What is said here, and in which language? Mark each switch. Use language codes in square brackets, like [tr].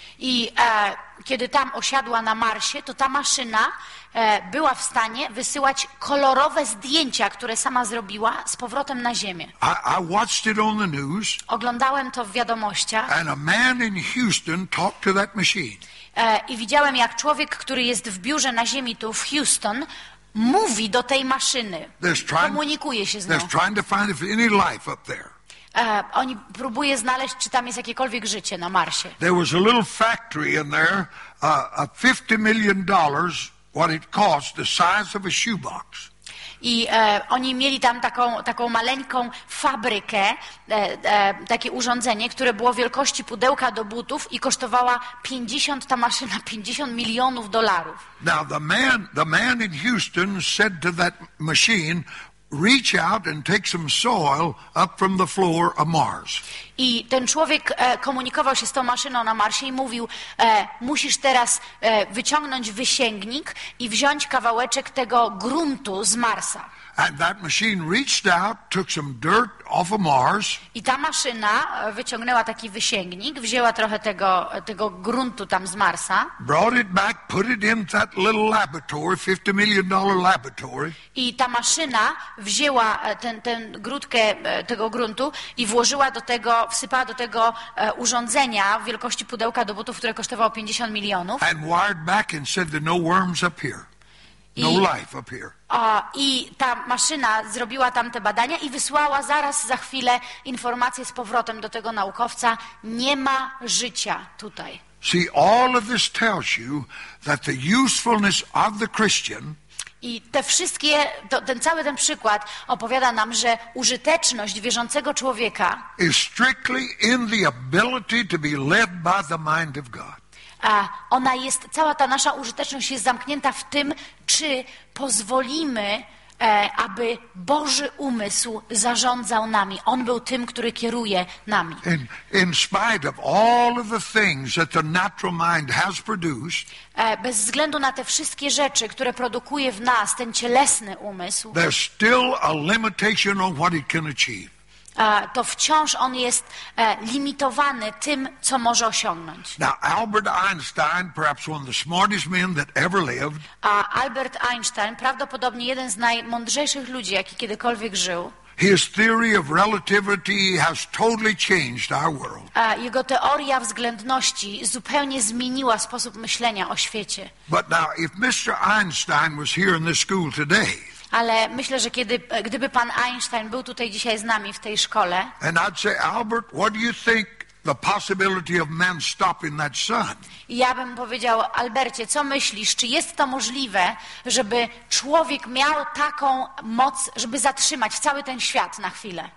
[pl] I kiedy tam osiadła na Marsie, to ta maszyna była w stanie wysyłać kolorowe zdjęcia, które sama zrobiła, z powrotem na Ziemię. [en] I watched it on the news. [pl] Oglądałem to w wiadomościach. [en] And a man in Houston talked to that machine. [pl] I widziałem, jak człowiek, który jest w biurze na Ziemi tu w Houston, mówi do tej maszyny. Komunikuje się z nią. [en] They're trying to find if any life up there. [pl] Oni próbuje znaleźć, czy tam jest jakiekolwiek życie na Marsie. [en] There was a little factory in there, $50 million, what it cost, the size of a shoebox. [pl] I oni mieli tam taką maleńką fabrykę, takie urządzenie, które było wielkości pudełka do butów i kosztowała 50, ta maszyna, 50 milionów dolarów. [en] Now the man in Houston said to that machine, reach out and take some soil up from the floor of Mars. [pl] I ten człowiek komunikował się z tą maszyną na Marsie i mówił, musisz teraz wyciągnąć wysięgnik i wziąć kawałeczek tego gruntu z Marsa. [en] And that machine reached out, took some dirt off of Mars. [pl] I ta maszyna wyciągnęła taki wysięgnik, wzięła trochę tego gruntu tam z Marsa. [en] Brought it back, put it in that little laboratory, $50 million laboratory. [pl] I ta maszyna wzięła ten grudkę tego gruntu i włożyła do tego, wsypała do tego urządzenia w wielkości pudełka do butów, które kosztowało 50 milionów. [en] And wired back and said there are no worms up here. No life up here. [pl] I ta maszyna zrobiła tam te badania i wysłała zaraz za chwilę informację z powrotem do tego naukowca. Nie ma życia tutaj. [en] See, all of this tells you that the usefulness of the Christian. [pl] I te wszystkie, to, ten cały ten przykład opowiada nam, że użyteczność wierzącego człowieka [en] is strictly in the ability to be led by the mind of God. [pl] A ona jest, cała ta nasza użyteczność jest zamknięta w tym, czy pozwolimy, aby Boży umysł zarządzał nami. On był tym, który kieruje nami. [en] In spite of all of the things that the natural mind has produced, [pl] bez względu na te wszystkie rzeczy, które produkuje w nas ten cielesny umysł, [en] there's still a limitation on what it can achieve. [pl] To wciąż on jest limitowany tym, co może osiągnąć. [en] Now, Albert Einstein, perhaps one of the smartest men that ever lived. [pl] Albert Einstein, prawdopodobnie jeden z najmądrzejszych ludzi, jaki kiedykolwiek żył. [en] His theory of relativity has totally changed our world. [pl] Jego teoria względności zupełnie zmieniła sposób myślenia o świecie. [en] But now, if Mr. Einstein was here in this school today, [pl] ale myślę, że gdyby pan Einstein był tutaj dzisiaj z nami w tej szkole, [en] and I'd say, Albert, what do you think the possibility of man stopping that sun? [pl] Ja bym powiedział, Albercie, co myślisz, czy jest to możliwe, żeby człowiek miał taką moc, żeby zatrzymać cały ten świat na chwilę?